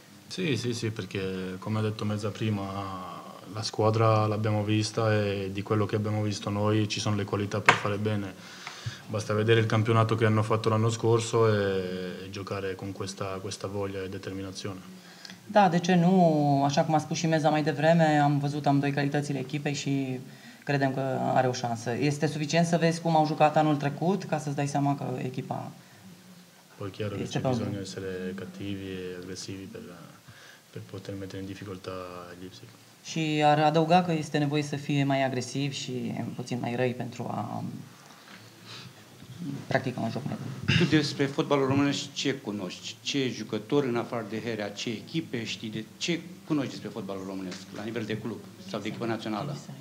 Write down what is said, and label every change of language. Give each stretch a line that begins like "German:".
Italian: Sì, perché come ha detto Meza prima, la squadra l'abbiamo vista e di quello che abbiamo visto noi ci sono le qualità per fare bene. Basta vedere il campionato che hanno fatto l'anno scorso e giocare con questa voglia e determinazione.
Romanian: Da, de ce nu? Așa cum a spus și Meza mai devreme, am văzut amândoi calitățile echipei și credem că are o șansă. Este suficient să vezi cum au jucat anul trecut ca să-ți dai seama că echipa...
Italian: Poi chiaro che c'è bisogno di essere cattivi e aggressivi per poter mettere in difficoltà gli Leipzig.
Romanian: Și ar adăuga că este nevoie să fie mai agresiv și puțin mai răi pentru a practica un joc mai bun. Tu despre fotbalul românesc ce cunoști? Ce jucători în afară de Herea, ce echipe știi? De ce cunoști despre fotbalul românesc la nivel de club sau de echipă națională?